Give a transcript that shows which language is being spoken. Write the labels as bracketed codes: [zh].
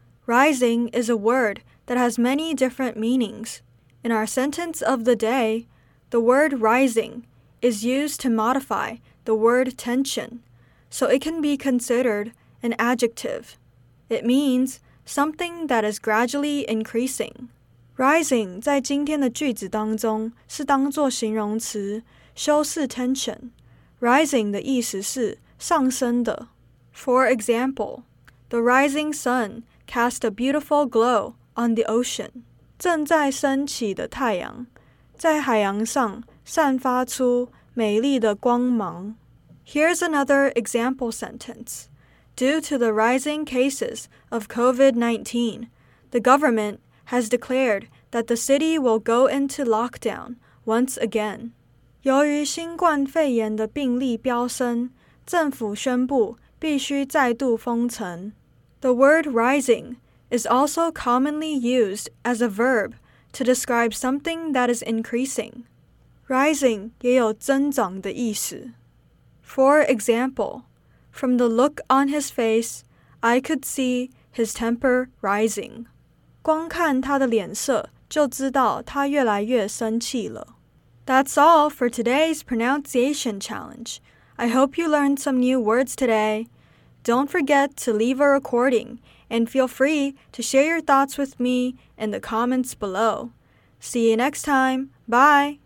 [en] Rising is a word that has many different meanings. In our sentence of the day, the word rising is used to modify the word tension, so it can be considered an adjective. It means something that is gradually increasing. [zh] Rising 在今天的句子当中是当作形容词修饰 tension. Rising 的意思是上升的. [en] For example, the rising sun cast a beautiful glow on the ocean. [zh] 正在升起的太阳在海洋上散发出美丽的光芒. [en] Here's another example sentence. Due to the rising cases of COVID-19, the government has declared that the city will go into lockdown once again. [zh] 由于新冠肺炎的病例飙升，政府宣布必须再度封城。 [en] The word rising is also commonly used as a verb to describe something that is increasing. [zh] Rising 也有增长的意思。 [en] For example, from the look on his face, I could see his temper rising. [zh] 光看他的脸色就知道他越来越生气了。 [en] That's all for today's pronunciation challenge. I hope you learned some new words today. Don't forget to leave a recording and feel free to share your thoughts with me in the comments below. See you next time. Bye!